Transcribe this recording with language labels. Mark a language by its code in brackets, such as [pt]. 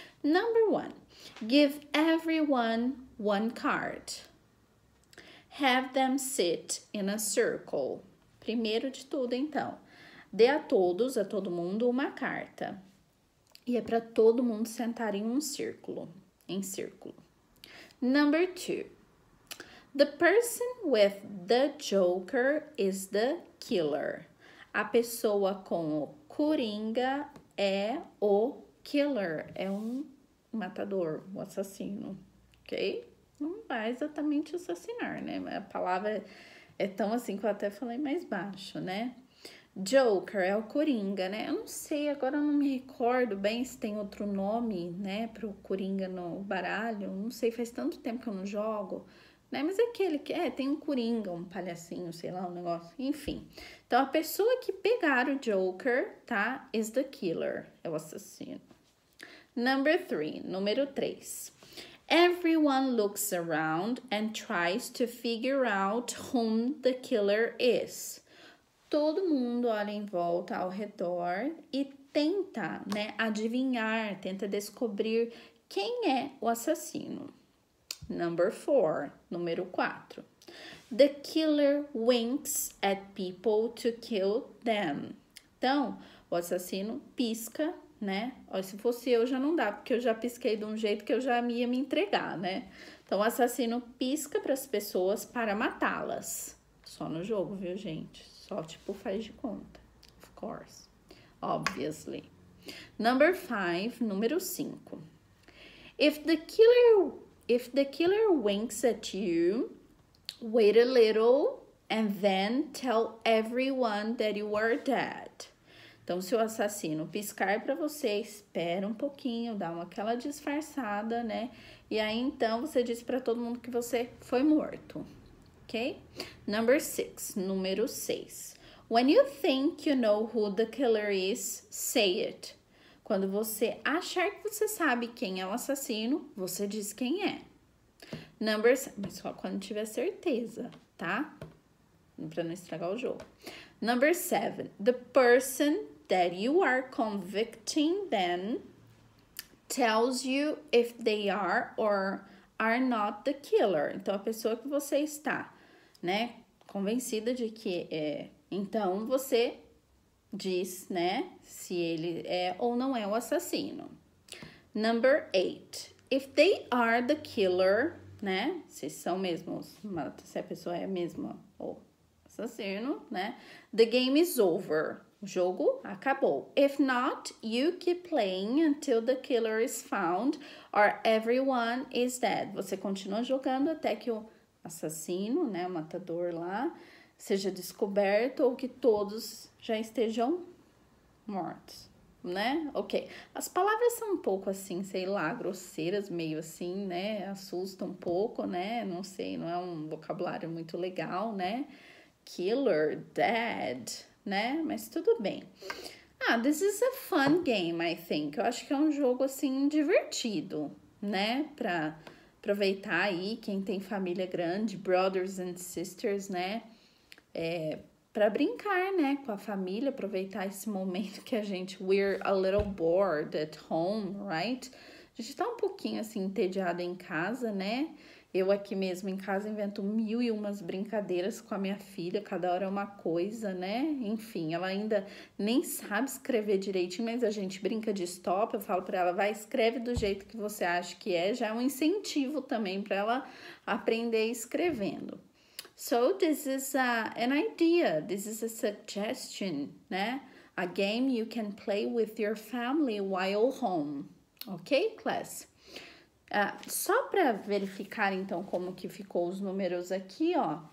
[en] Number one, give everyone one card. Have them sit in a circle. [pt] Primeiro de tudo, então, dê a todos, a todo mundo, uma carta. E é para todo mundo sentar em um círculo, em círculo. [en] Number two, the person with the joker is the killer. [pt] A pessoa com o coringa é o killer, é um matador, um assassino, ok? Não vai exatamente assassinar, né? A palavra é tão assim que eu até falei mais baixo, né? Joker é o coringa, né? Eu não sei, agora eu não me recordo bem se tem outro nome, né, para o coringa no baralho. Não sei, faz tanto tempo que eu não jogo. Né? Mas é aquele que é, tem um coringa, um palhacinho, sei lá, um negócio, enfim. Então, a pessoa que pegar o Joker, tá? [en] Is the killer, [pt] é o assassino. [en] Number three, [pt] número três. [en] Everyone looks around and tries to figure out whom the killer is. [pt] Todo mundo olha em volta, ao redor, e tenta, né, adivinhar, tenta descobrir quem é o assassino. [en] Number four, [pt] número quatro. [en] The killer winks at people to kill them. [pt] Então, o assassino pisca, né? Ou se fosse eu já não dá, porque eu já pisquei de um jeito que eu já ia me entregar, né? Então, o assassino pisca para as pessoas para matá-las. Só no jogo, viu, gente? Só tipo faz de conta. [en] Of course. Obviously. Number five, número cinco. If the killer winks at you, wait a little and then tell everyone that you are dead. [pt] Então, se o assassino piscar para você, espera um pouquinho, dá uma aquela disfarçada, né? E aí então você diz para todo mundo que você foi morto, ok? [en] Number six, número seis. When you think you know who the killer is, say it. [pt] Quando você achar que você sabe quem é o assassino, você diz quem é. Numbers, mas só quando tiver certeza, tá? Pra não estragar o jogo. [en] Number seven, the person that you are convicting them tells you if they are or are not the killer. [pt] Então, a pessoa que você está, né, convencida de que é. Então, você diz, né, se ele é ou não é o assassino. [en] Number eight, if they are the killer, né? [pt] Se são mesmo, se a pessoa é mesmo o assassino, né? [en] The game is over. [pt] O jogo acabou. [en] If not, you keep playing until the killer is found or everyone is dead. [pt] Você continua jogando até que o assassino, né, matador lá, seja descoberto ou que todos já estejam mortos, né? Ok. As palavras são um pouco assim, sei lá, grosseiras, meio assim, né? Assusta um pouco, né? Não sei, não é um vocabulário muito legal, né? [en] Killer, dead, [pt] né? Mas tudo bem. [en] Ah, this is a fun game, I think. [pt] Eu acho que é um jogo, assim, divertido, né? Pra aproveitar aí quem tem família grande, [en] brothers and sisters, [pt] né? É, pra brincar, né? Com a família, aproveitar esse momento que a gente... [en] We're a little bored at home, right? [pt] A gente tá um pouquinho, assim, entediada em casa, né? Eu aqui mesmo em casa invento mil e umas brincadeiras com a minha filha, cada hora é uma coisa, né? Enfim, ela ainda nem sabe escrever direitinho, mas a gente brinca de stop, eu falo pra ela, vai, escreve do jeito que você acha que é, já é um incentivo também pra ela aprender escrevendo. [en] So, this is an idea, this is a suggestion, né? A game you can play with your family while home, ok, class? [pt] Só para verificar, então, como que ficou os números aqui, ó.